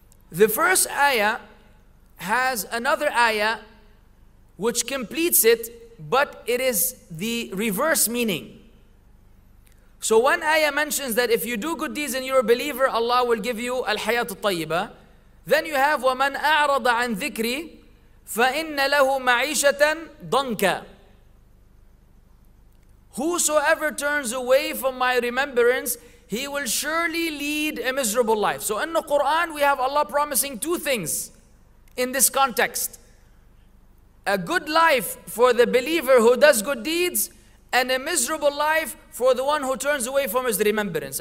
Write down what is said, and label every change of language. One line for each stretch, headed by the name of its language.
English: The first ayah has another ayah which completes it, but it is the reverse meaning. So one ayah mentions that if you do good deeds and you're a believer, Allah will give you al-hayat al-tayyibah.
Arabic: Then you have وَمَنْ أَعْرَضَ عَنْ ذِكْرِي فَإِنَّ لَهُ مَعِيشَةً ضَنْكَ.
English: Whosoever turns away from my remembrance, he will surely lead a miserable life. So in the Quran, we have Allah promising two things in this context. A good life for the believer who does good deeds, and a miserable life for the one who turns away from his remembrance.